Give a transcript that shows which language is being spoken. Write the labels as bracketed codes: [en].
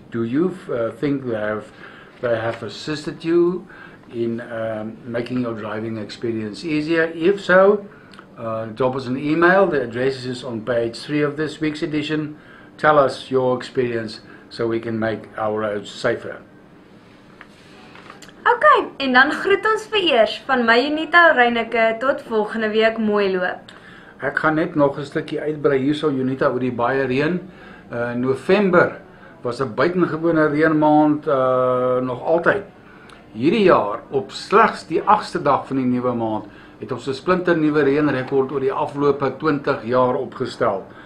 [en] Do you think they have assisted you in making your driving experience easier? If so, drop us an email. The address is on page 3 of this week's edition. Tell us your experience so we can make our roads safer. [af] Okay, en dan groet ons vereers van my Unita Reyneke tot volgende week mooi loop. Ek gaan net nog 'n stukkie uitbrei hierso Unita oor die baie reën. November was 'n buitengewone reënmaand nog altyd. Hierdie jaar op slegs die 8ste dag van die nuwe maand het ons 'n splinter nuwe reënrekord oor die afgelope 20 jaar opgestel.